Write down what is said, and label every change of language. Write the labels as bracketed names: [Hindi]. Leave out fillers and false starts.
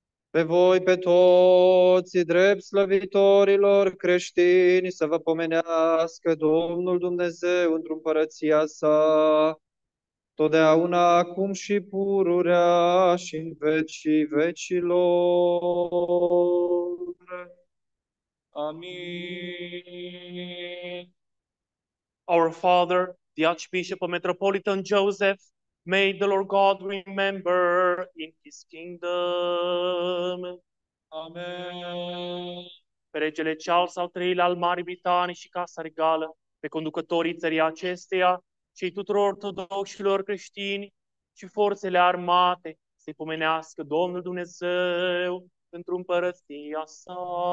[Romanian] Pe voi, pe toți, drept slăvitorilor creștini, să vă pomenească Domnul Dumnezeu într-o împărăția sa, totdeauna, acum și pururea și în vecii vecilor. Amin. [English] Our Father, the Archbishop of Metropolitan Joseph, may the Lord God remember in his kingdom. Amen. [Romanian] Pe regele Charles al III-lea al Marii Britanii și Casa Regală, pe conducătorii țării acesteia, cei tuturor ortodoxilor creștini și forțele armate, să-i pomenească Domnul Dumnezeu într-o împărăția sa.